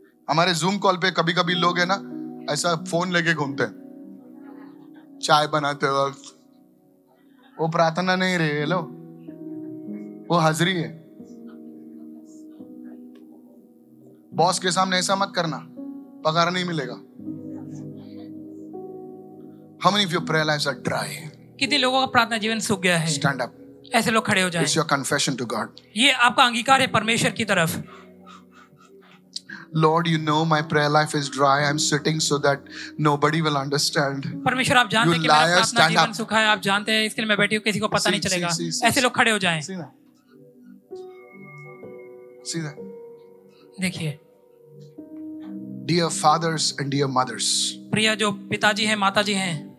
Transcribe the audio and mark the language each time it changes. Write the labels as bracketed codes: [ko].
[hi] हमारे zoom call पे कभी कभी लोग है ना ऐसा फोन लेके घूमते हैं चाय बनाते वक्त. वो प्रार्थना नहीं रही, हेलो, वो हाजिरी है. बॉस के सामने ऐसा मत करना, पगार नहीं मिलेगा. [en] How many of your prayer lives are dry? [hi] कितने लोगों का प्रार्थना जीवन सूख गया है? [en] Stand up. [hi] ऐसे लोग खड़े हो जाएं. [en] It's your confession to God. [hi] ये आपका अंगीकार है परमेश्वर की तरफ. [en] Lord, you know my prayer life is dry. I'm sitting so that nobody will understand. [hi] परमेश्वर आप जानते हैं कि मेरा प्रार्थना जीवन सूखा है. आप जानते हैं इसके लिए मैं बैठी हूँ, किसी को पता नहीं चलेगा. ऐसे लोग खड़े हो जाएं. [en] See that. [hi] देखिए. [en] Dear fathers and dear mothers. [hi] प्रिय जो पिताजी हैं, माताजी हैं.